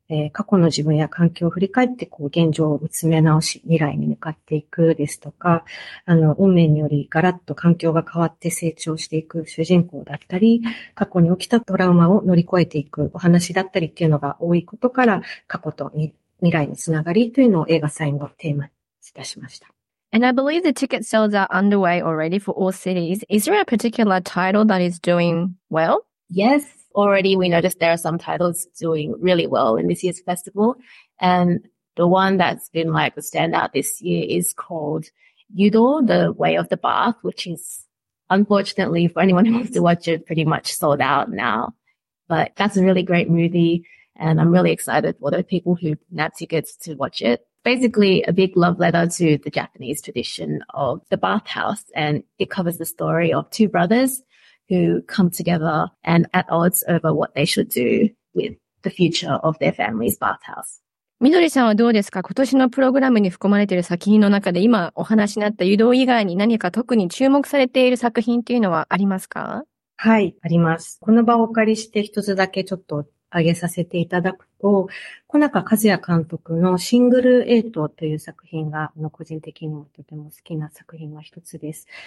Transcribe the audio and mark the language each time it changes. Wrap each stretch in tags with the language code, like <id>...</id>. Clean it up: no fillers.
<ja>過去の自分や環境を振り返って、こう、現状を見つめ直し、未来に向かっていくですとか、運命によりガラッと環境が変わって成長していく主人公だったり、過去に起きたトラウマを乗り越えていくお話だったりっていうのが多いことから、過去と未来のつながりというのを映画祭のテーマにいたしました。</ja> <en>And I believe the ticket sales are underway already for all cities. Is there a particular title that is doing well? Yes, already we noticed there are some titles doing really well in this year's festival. And the one that's been like a standout this year is called Yudo, The Way of the Bath, which is unfortunately for anyone who wants to watch it pretty much sold out now. But that's a really great movie. And I'm really excited for the people who nab tickets to watch it. Basically, a big love letter to the Japanese tradition of the bathhouse. And it covers the story of two brothers who come together and at odds over what they should do with the future of their family's bathhouse.</en> <ja>Midori-san, はどうですか？今年のプログラムに含まれている作品の中で今お話になった誘導以外に何か特に注目されている作品というのはありますか？はい、あります。この場をお借りして一つだけちょっと挙げさせていただくと、小中和也監督のシングルエイトという作品が、個人的にもとても好きな作品の一つです。</ja>